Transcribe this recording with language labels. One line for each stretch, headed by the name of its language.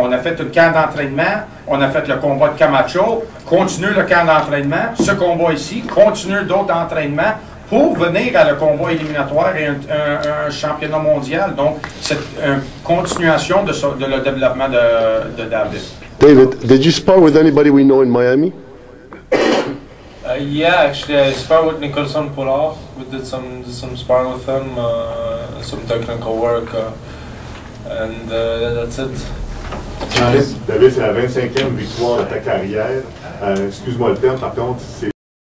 French: On a fait un camp d'entraînement, on a fait le combat de Camacho, continue le camp d'entraînement, ce combat ici, continue d'autres entraînements, pour venir à le combat éliminatoire et un championnat mondial. Donc, c'est une continuation de le développement de David.
English: David, did you spar with anybody we know in Miami? Yeah, actually, I sparred with Nicholson Pollard. We did some sparring with him, some technical work, and that's it.
French: David, c'est la 25e victoire de ta carrière. Excuse-moi le terme, par contre, c'est...